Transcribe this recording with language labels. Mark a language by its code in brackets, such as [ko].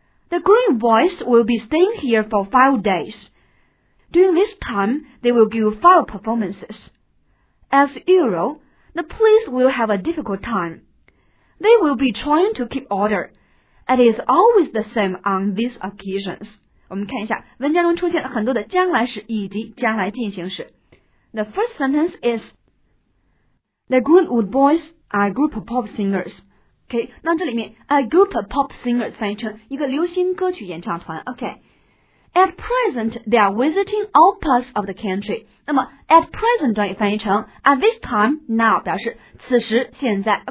[en] The Green Boys will be staying here for 5 days. During this time, they will give 5 performances. As usual, the police will have a difficult time. They will be trying to keep order. It is always the same on these occasions. [zh] 我们看一下，文章中出现了很多的将来时以及将来进行时。 [en] The first sentence is, The Greenwood Boys are a group of pop singers. [zh] OK, 那这里面 [en] a group of pop singers [zh] 翻译成一个流行歌曲演唱团。OK, [en] at present they are visiting all parts of the country. [zh] 那么 [en] at present [zh] 也翻译成 [en] at this time now [zh] 表示此时现在。